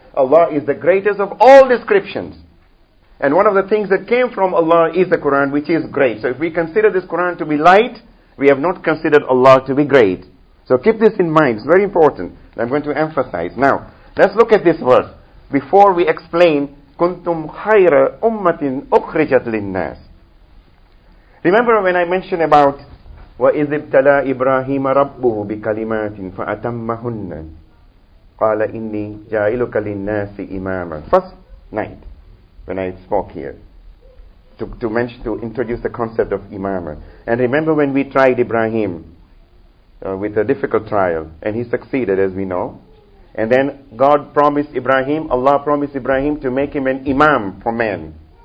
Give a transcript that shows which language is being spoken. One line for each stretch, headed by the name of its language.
English: Allah is the greatest of all descriptions. And one of the things that came from Allah is the Quran, which is great. So if we consider this Quran to be light, we have not considered Allah to be great. So keep this in mind. It's very important. I'm going to emphasize. Now, let's look at this verse.
Arabic: Before we explain, كُنْتُمْ خَيْرَ أُمَّةٍ أُخْرِجَتْ لِلنَّاسِ. Remember when I mentioned about وَإِذِ ابْتَلَى إِبْرَاهِيمَ رَبُّهُ بِكَلِمَاتٍ فَأَتَمَّهُنَّ قَالَ إِنِّي جَائِلُكَ لِلنَّاسِ إِمَامًا.
English: First night, when I spoke here, to introduce the concept of imama. And remember when we tried Ibrahim with a difficult trial, and he succeeded, as we know. And then God promised Ibrahim, Allah promised Ibrahim to make him an imam for men.